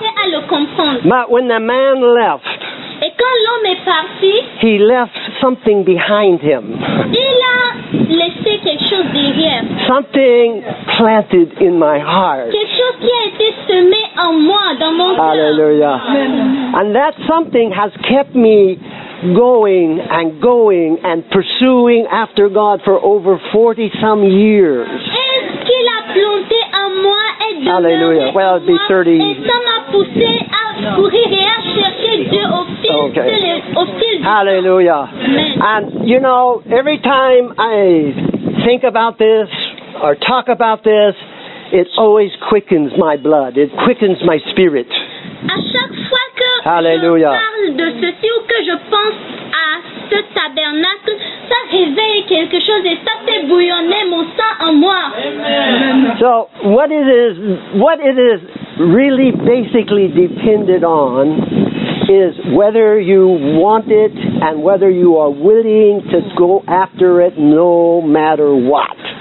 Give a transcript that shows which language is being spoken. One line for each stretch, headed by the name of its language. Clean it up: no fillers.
French: À le comprendre.
English: But when the man left,
French: et quand l'homme est parti,
English: he left something behind him.
French: Il a laissé quelque chose derrière.
English: Something planted in my heart.
French: Quelque chose qui a été semé en moi, dans mon cœur.
English: Hallelujah. And that something has kept me going and going and pursuing after God for over 40 some years.
French: Et qu'il a planté en moi et demeuré en moi.
English: Well, it'd be 30.
French: Et ça m'a poussé à courir et à chercher Dieu au fil, okay. Au fil du temps. Hallelujah.
English: And you know, every time I think about this or talk about this, it always quickens my blood. It quickens my spirit.
French: À chaque fois que Hallelujah. Je parle de ceci ou que je pense à ce tabernacle, ça réveille quelque chose et ça fait bouillonner mon sang en moi.
English: Amen. So, what it is really basically depended on is whether you want it and whether you are willing to go after it no matter what.